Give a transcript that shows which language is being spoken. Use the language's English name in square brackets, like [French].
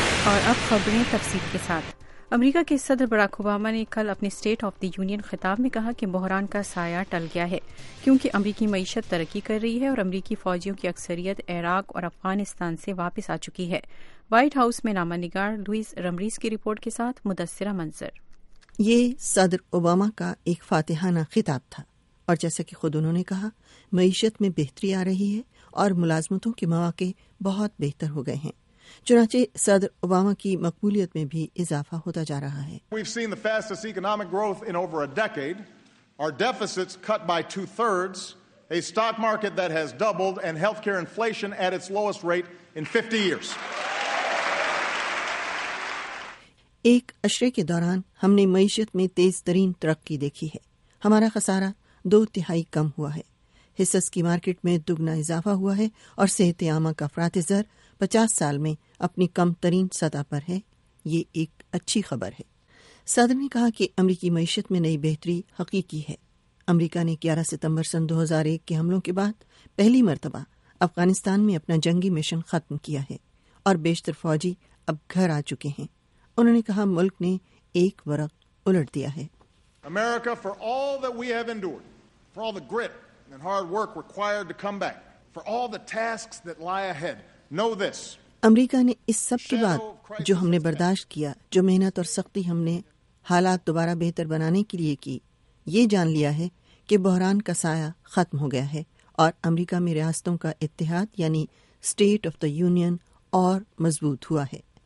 [Urdu] اور اب خبریں تفصیل کے ساتھ۔ امریکہ کے صدر براک اوباما نے کل اپنے سٹیٹ آف دی یونین خطاب میں کہا کہ بحران کا سایہ ٹل گیا ہے، کیونکہ امریکی معیشت ترقی کر رہی ہے اور امریکی فوجیوں کی اکثریت عراق اور افغانستان سے واپس آ چکی ہے۔ وائٹ ہاؤس میں نامہ نگار لوئس رمریز کی رپورٹ کے ساتھ مدثرہ منظر۔ یہ صدر اوباما کا ایک فاتحانہ خطاب تھا، اور جیسا کہ خود انہوں نے کہا، معیشت میں بہتری آ رہی ہے اور ملازمتوں کے مواقع بہت بہتر ہو گئے ہیں، چنانچہ صدر اوباما کی مقبولیت میں بھی اضافہ ہوتا جا رہا ہے۔ [English] We've seen the fastest economic growth in over a decade. Our deficits cut by 2/3, a stock market that has doubled, and healthcare inflation at its lowest rate in 50 years. [Urdu] ایک عشرے کے دوران ہم نے معیشت میں تیز ترین ترقی دیکھی ہے، ہمارا خسارہ 2/3 کم ہوا ہے، حصص کی مارکیٹ میں دگنا اضافہ ہوا ہے، اور صحت عامہ کا فراتزر 50 سال میں اپنی کم ترین سطح پر ہے۔ یہ ایک اچھی خبر ہے۔ صدر نے کہا کہ امریکی معیشت میں نئی بہتری حقیقی ہے۔ امریکہ نے 11 ستمبر 2001 کے حملوں کے بعد پہلی مرتبہ افغانستان میں اپنا جنگی مشن ختم کیا ہے، اور بیشتر فوجی اب گھر آ چکے ہیں۔ انہوں نے کہا، ملک نے ایک ورق الٹ دیا ہے۔ [English] America, for all that we have endured, for all the grit and hard work required to come back, for all the tasks that lie ahead, know this. [Urdu] امریکہ نے اس سب کے بعد جو ہم نے برداشت کیا، جو محنت اور سختی ہم نے حالات دوبارہ بہتر بنانے کے لیے کی، یہ جان لیا ہے کہ بحران کا سایہ ختم ہو گیا ہے، اور امریکہ میں ریاستوں کا اتحاد یعنی سٹیٹ آف دی یونین اور مضبوط ہوا ہے۔